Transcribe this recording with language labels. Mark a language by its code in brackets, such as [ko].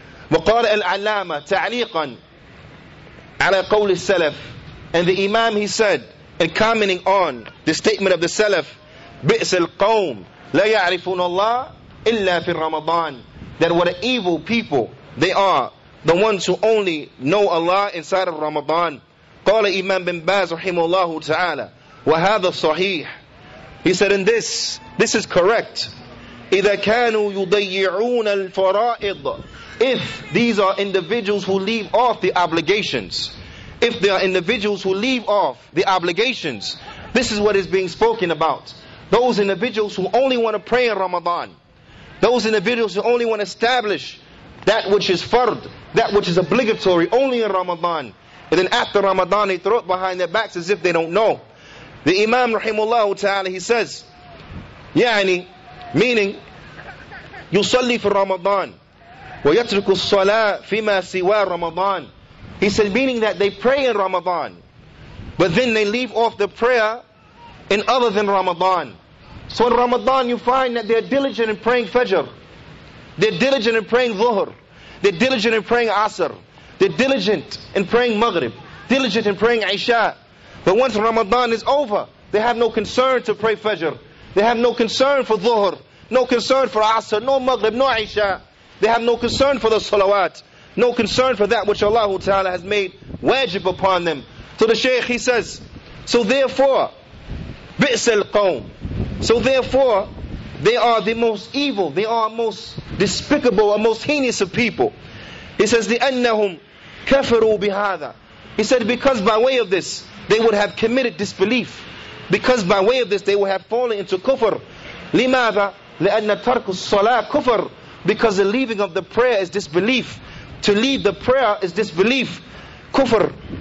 [ar] وقال العلامة تعليقا على قول السلف, [en] and the Imam, he said, and commenting on the statement of the Salaf, [ar] بئس القوم لا يعرفون الله إلا في رمضان, [en] that what an evil people they are, the ones who only know Allah inside of Ramadan. [ar] قال إمام بن باز رحمه الله تعالى وهذا صحيح. [en] He said, in this is correct. [ar] إذا كانوا يضيعون الفرائض, [en] if these are individuals who leave off the obligations, if they are individuals who leave off the obligations, this is what is being spoken about. Those individuals who only want to pray in Ramadan, those individuals who only want to establish that which is fard, that which is obligatory only in Ramadan. And then after Ramadan, they throw it behind their backs as if they don't know. The Imam, rahimullah ta'ala, he says, [ar] يعني, [en] meaning, [ar] يصلي في رمضان ويترك الصلاة فيما سوى رمضان. [en] He said, meaning that they pray in Ramadan, but then they leave off the prayer in other than Ramadan. So in Ramadan, you find that they're diligent in praying Fajr. They're diligent in praying Dhuhr. They're diligent in praying Asr. They're diligent in praying Maghrib, diligent in praying Isha. But once Ramadan is over, they have no concern to pray Fajr. They have no concern for Dhuhr, no concern for Asr, no Maghrib, no Isha. They have no concern for the Salawat, no concern for that which Allah Ta'ala has made wajib upon them. So the Shaykh, he says, so therefore, [ar] بِئْسَ الْقَوْمِ, [en] so therefore, they are the most evil, they are most despicable, a most heinous of people. He says, [ar] لِأَنَّهُمْ كَفَرُوا بِهَذَا. [en] He said, because by way of this, they would have committed disbelief. Because by way of this, they would have fallen into kufr. [ar] لِمَاذَا لِأَنَّ تَرْكُ الصَّلَاةِ كُفْرٌ. [en] Because the leaving of the prayer is disbelief. To leave the prayer is disbelief. Kufr.